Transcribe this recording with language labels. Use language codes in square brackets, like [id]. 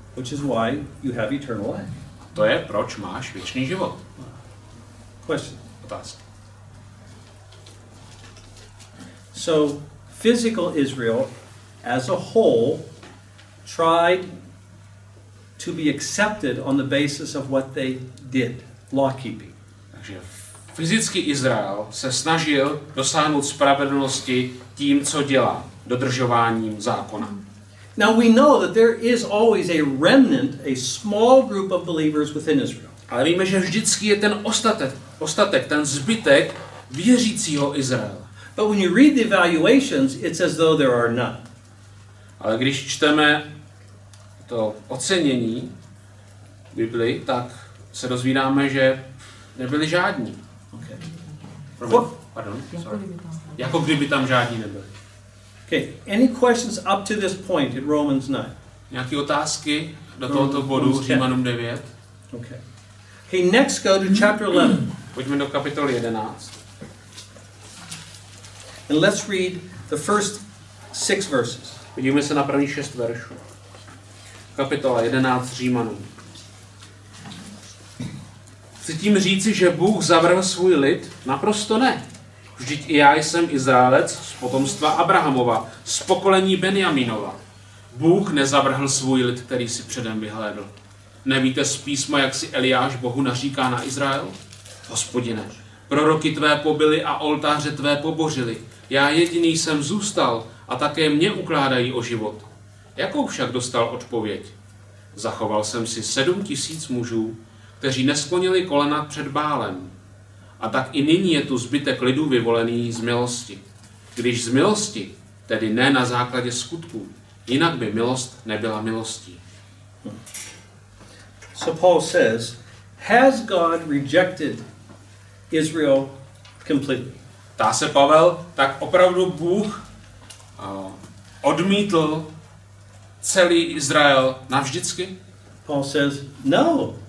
[en] Which is why you have eternal life. [cs] To je, proč máš věčný život. [en] Question. [cs] Otázka. [en] So, physical Israel as a whole tried to be accepted on the basis of what they did, law keeping. [cs] Takže fyzicky Izrael se snažil dosáhnout spravedlnosti tím, co dělá, dodržováním zákona. [en] Now we know that there is always a remnant, a small group of believers within Israel. [cs] Ale víme, že vždycky je ten ostatek, ten zbytek věřícího Izraela. [en] But when you read the evaluations, it's as though there are none. [cs] Ale když čteme to ocenění Biblii, tak se dozvídáme, že nebyli žádní. [en] Okay. [cs] Pardon, [en] sorry. [cs] Jako kdyby tam žádní nebyli. [en] Okay. Any questions up to this point in Romans 9? [cs] Nějaký otázky do tohoto bodu Římanům 9? [en] Okay. Okay, next go to chapter 11. [cs] Pojďme do kapitoly 11. [en] And let's read the first 6 verses. [cs] Podívejme se na první 6 veršů. Kapitola 11 Římanům. Chci tím říci, že Bůh zavrhl svůj lid? Naprosto ne. Vždyť i já jsem Izraelec z potomstva Abrahamova, z pokolení Benjaminova. Bůh nezavrhl svůj lid, který si předem vyhlédl. Nevíte z písma, jak si Eliáš Bohu naříká na Izrael? Hospodine, proroky tvé pobyli a oltáře tvé pobořili. Já jediný jsem zůstal a také mě ukládají o život. Jakou však dostal odpověď? Zachoval jsem si 7000 mužů, kteří nesklonili kolena před Bálem. A tak i nyní je tu zbytek lidů vyvolený z milosti. Když z milosti, tedy ne na základě skutků, jinak by milost nebyla milostí. [en] So Paul says, has God rejected Israel completely? [cs] Tá se Pavel, tak opravdu Bůh odmítl celý Izrael navždycky? [en] Paul says, no.